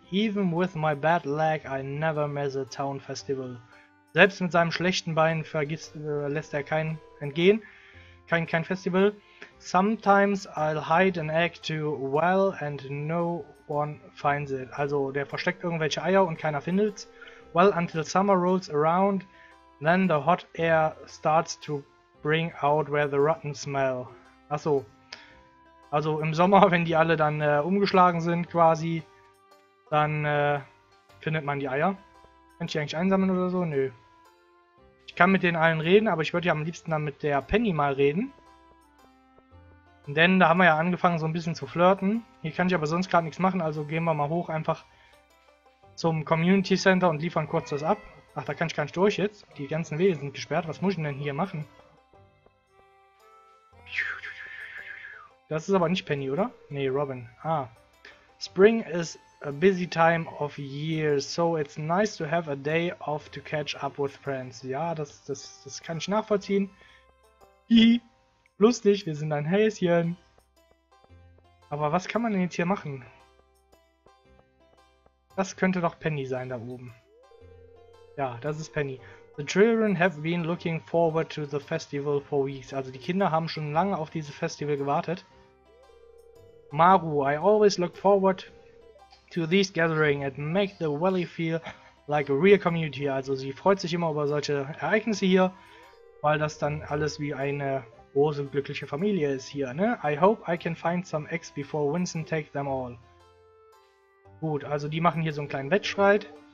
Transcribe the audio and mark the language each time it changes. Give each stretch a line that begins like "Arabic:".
English: Even with my bad leg, I never miss a town festival.
German: Selbst mit seinem schlechten Bein lässt er kein entgehen. Kein Festival.
English: Sometimes I'll hide an egg too well and no one finds it.
German: Also, der versteckt irgendwelche Eier und keiner findet's.
English: Well, until summer rolls around, then the hot air starts to bring out where the rotten smell.
German: Achso. Also im Sommer, wenn die alle dann umgeschlagen sind quasi, dann findet man die Eier. Kann ich die eigentlich einsammeln oder so? Nö. Ich kann mit denen allen reden, aber ich würde ja am liebsten dann mit der Penny mal reden. Denn da haben wir ja angefangen so ein bisschen zu flirten. Hier kann ich aber sonst gerade nichts machen, also gehen wir mal hoch einfach zum Community Center und liefern kurz das ab. Ach, da kann ich gar nicht durch jetzt. Die ganzen Wege sind gesperrt. Was muss ich denn hier machen? Das ist aber nicht Penny, oder? Nee, Robin. Ah.
English: Spring is a busy time of year, so it's nice to have a day off to catch up with friends.
German: Ja, das kann ich nachvollziehen. Hihi. Lustig, wir sind ein Häschen. Aber was kann man denn jetzt hier machen? Das könnte doch Penny sein da oben. Ja, das ist Penny.
English: The children have been looking forward to the festival for weeks.
German: Also die Kinder haben schon lange auf dieses Festival gewartet.
English: Maru, I always look forward to these gatherings and make the valley feel like a real community.
German: Also sie freut sich immer über solche Ereignisse hier, weil das dann alles wie eine große glückliche Familie ist hier, ne?
English: I hope I can find some eggs before Winston takes them all.
German: Gut, also die machen hier so einen kleinen Wettstreit.